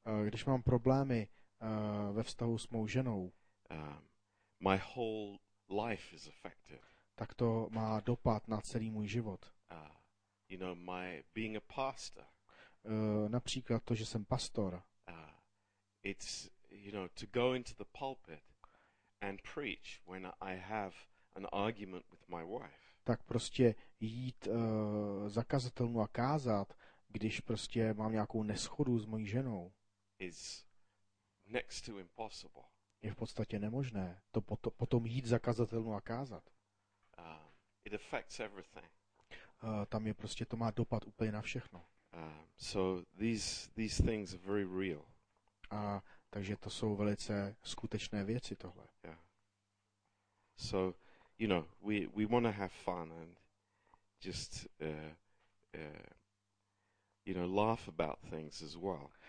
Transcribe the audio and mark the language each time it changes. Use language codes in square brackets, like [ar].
[cs] Když mám problémy ve vztahu s mou ženou. [en] My whole life is affected. [cs] Tak to má dopad na celý můj život. [en] You know, my being a pastor. [cs] Například to, že jsem pastor. [en] It's, you know, to go into the pulpit and preach when I have an argument with my wife. [cs] Tak prostě jít za kazatelnu a kázat, když prostě mám nějakou neschodu s mojí ženou. [en] Is next to impossible. [cs] Je v podstatě nemožné to potom jít za kazatelnu a kázat. [en] It affects everything. [cs] Tam je prostě to má dopad úplně na všechno. [en] So these things are very real. [cs] A takže to jsou velice skutečné věci tohle. [en] Yeah. So, you know, we want to have fun and just you know, laugh about things as well.